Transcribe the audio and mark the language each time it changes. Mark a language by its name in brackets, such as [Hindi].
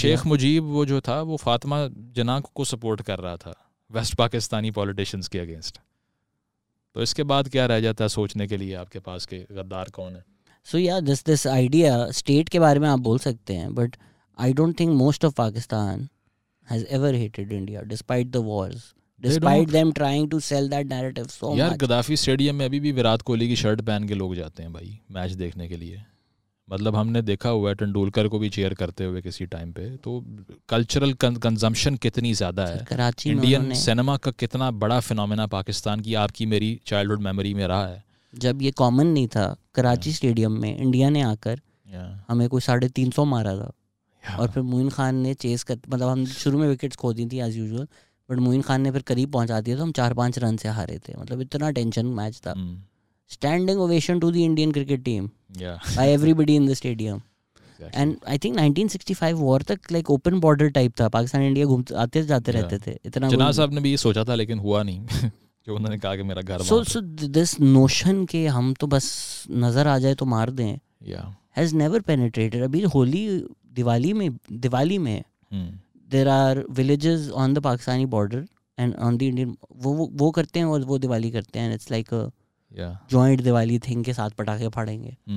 [Hindi] शेख मुजीब वो जो था वो फातिमा जना को सपोर्ट कर रहा था वेस्ट पाकिस्तानी पॉलिटिशियंस के अगेंस्ट, तो इसके बाद क्या रह जाता है सोचने के लिए आपके पास के गद्दार कौन है? [English] so yeah this idea state [Hindi] के बारे में आप बोल सकते हैं, [English] But I don't think most of Pakistan has ever hated India despite the wars. Despite them trying to sell that narrative so much. [Hindi] यार गद्दाफी स्टेडियम में अभी भी विराट कोहली की शर्ट पहन के लोग जाते हैं भाई मैच देखने के लिए, मतलब हमने देखा हुआ है तेंदुलकर को भी चेयर करते हुए किसी टाइम पे, तो कल्चरल कंजम्पशन कितनी ज्यादा है। इंडियन सिनेमा का कितना बड़ा फिनोमेना पाकिस्तान की आपकी मेरी चाइल्डहुड मेमोरी में रहा है, जब ये कॉमन नहीं था कराची स्टेडियम में इंडिया ने आकर हमें कोई 350 मारा था, और फिर मोइन खान ने चेस कर, मतलब हम शुरू में विकेट खो दी थी as usual, but Moin Khan ने फिर करीब पहुंचा दिया, तो हम 4-5 रन से हारे थे, मतलब इतना टेंशन मैच था। [English] standing ovation to the Indian cricket team by everybody in the stadium, and I think 1965 war तक like open border type था, [Hindi] पाकिस्तान इंडिया घूमते आते जाते रहते थे। इतना जनाब साहब ने भी ये सोचा था लेकिन हुआ नहीं, जो उन्होंने कहा कि मेरा घर। [English] so this notion [Hindi] के हम तो बस नजर आ जाए तो मार दें [English] Has never penetrated. [Hindi] अभी होली दिवाली में [English] there are villages on the Pakistani border and on the Indian, [Hindi] wo karte hain aur wo Diwali karte hain, [English] it's like a joint Diwali thing [Hindi] ke sath patake phadenge,